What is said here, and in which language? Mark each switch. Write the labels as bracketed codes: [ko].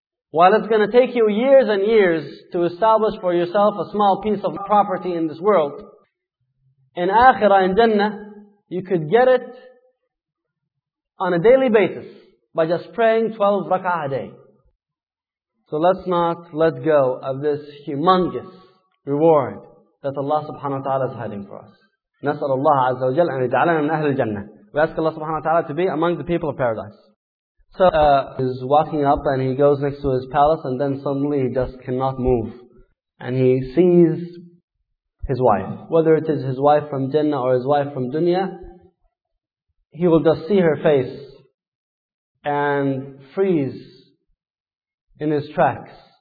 [en] While it's going to take you years and years to establish for yourself a small piece of property in this world, in Akhirah, in Jannah, you could get it on a daily basis by just praying 12 rak'ah a day. So let's not let go of this humongous reward that Allah subhanahu wa ta'ala is hiding for us. [ar] نسأل الله عز وجل أن يجعلنا من أهل الجنة. [en] We ask Allah subhanahu wa ta'ala to be among the people of paradise. So he's walking up and he goes next to his palace and then suddenly he just cannot move. And he sees his wife, whether it is his wife from Jannah or his wife from dunya, he will just see her face and freeze in his tracks.